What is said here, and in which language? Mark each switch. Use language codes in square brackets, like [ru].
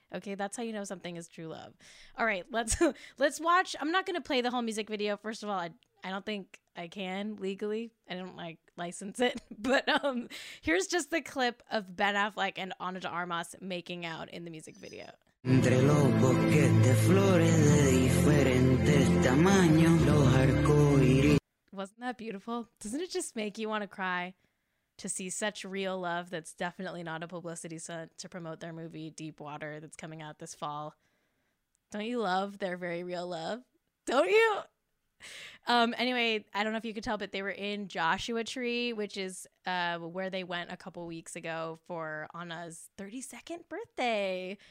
[en] Okay, that's how you know something is true love. All right, let's watch. I'm not going to play the whole music video. First of all, I don't think I can legally. I don't like license it. But here's just the clip of Ben Affleck and Ana de Armas making out in the music video. [es] Entre los bosques de flores de diferentes tamaños, los arcoiris. [en] Wasn't that beautiful? Doesn't it just make you want to cry to see such real love that's definitely not a publicity stunt to promote their movie Deep Water that's coming out this fall? Don't you love their very real love? Don't you? Anyway, I don't know if you could tell, but they were in Joshua Tree, which is where they went a couple weeks ago for Anna's 32nd birthday.